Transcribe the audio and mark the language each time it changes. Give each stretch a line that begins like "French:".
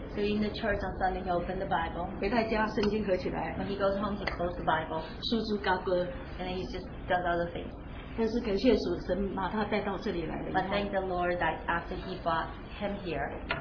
English: So in the church on Sunday, he opened the Bible.
Chinese: 回到家，圣经合起来。
English: When he goes home, he closed the Bible.
Chinese: 书书高歌。
English: And then he just does other things.
Chinese: 但是感谢主，神把他带到这里来了。
English: But thank the Lord that after he brought him here.